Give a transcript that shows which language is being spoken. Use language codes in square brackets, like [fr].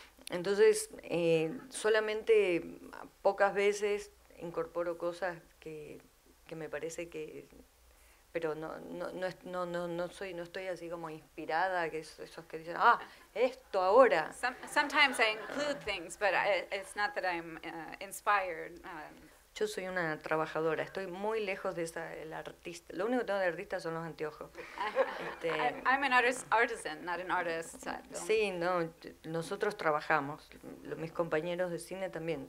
[es] Entonces, solamente pocas veces incorporo cosas que me parece que, pero no estoy así como inspirada, que esos que dicen, ah, esto ahora. [en] Sometimes I include things, but it's not that I'm inspired. [es] Yo soy una trabajadora, estoy muy lejos de esa, el artista. Lo único que tengo de artista son los anteojos. [en] I'm an artisan, not an artist. [es] Sí, no, nosotros trabajamos, mis compañeros de cine también.